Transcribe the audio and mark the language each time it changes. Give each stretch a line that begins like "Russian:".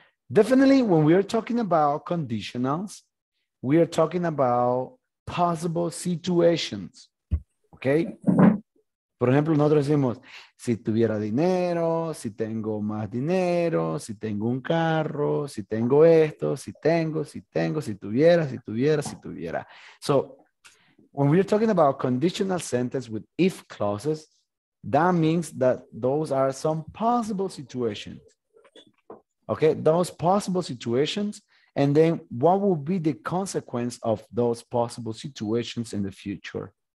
English: Definitely, when we are talking about conditionals, we are talking about possible situations. Okay.
Spanish: Por ejemplo, nosotros decimos, si tuviera dinero, si tengo más dinero, si tengo un carro, si tengo esto, si tengo, si tuviera.
English: So, when we're talking about conditional sentence with if clauses, that means that those are some possible situations. Okay, those possible situations, and then what will be the consequence of those possible situations in the future?